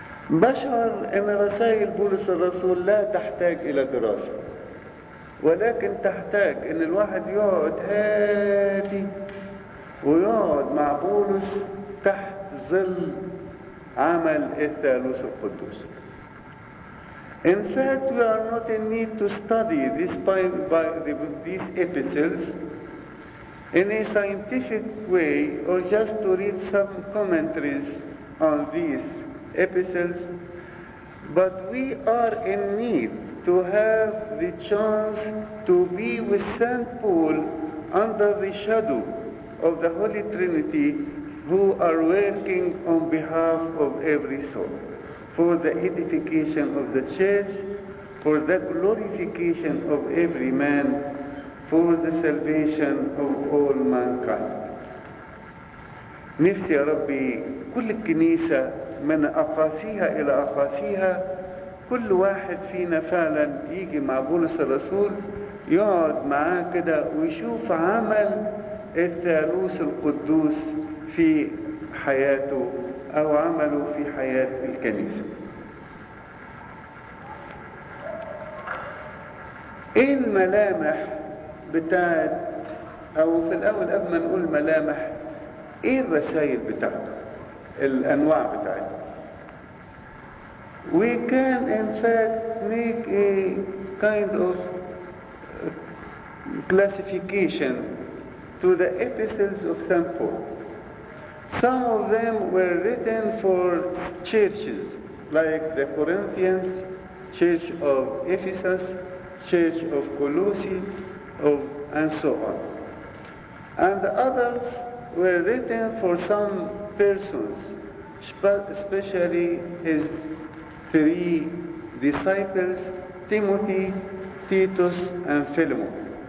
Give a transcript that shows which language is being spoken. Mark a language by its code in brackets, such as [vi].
[ar] بشعر أن رسائل بولس الرسول لا تحتاج إلى دراسة، ولكن تحتاج أن الواحد يقعد هادي ويقعد مع بولس تحت ظل عمل الثالوث القدوس. [en] In fact, we are not in need to study this these epistles in a scientific way or just to read some commentaries on these epistles, but we are in need to have the chance to be with Saint Paul under the shadow of the Holy Trinity, who are working on behalf of every soul, for the edification of the church, for the glorification of every man, for the salvation of all mankind. [ar] نفسي يا ربي كل الكنيسة من أقاصيها إلى أقاصيها كل واحد فينا فعلا يجي مع بولس الرسول يقعد معاه كده ويشوف عمل الثالوث القدوس في حياته أو عمله في حياة الكنيسة. إيه الملامح بتاعت، أو في الأول قبل ما نقول ملامح، إيه الرسائل بتاعته، الأنواع بتاعته؟ [en] We can in fact make a kind of classification to the epistles of St. Paul. Some of them were written for churches, like the Corinthians, Church of Ephesus, Church of Colossae, and so on. And others were written for some persons, especially his three disciples, Timothy, Titus, and Philemon.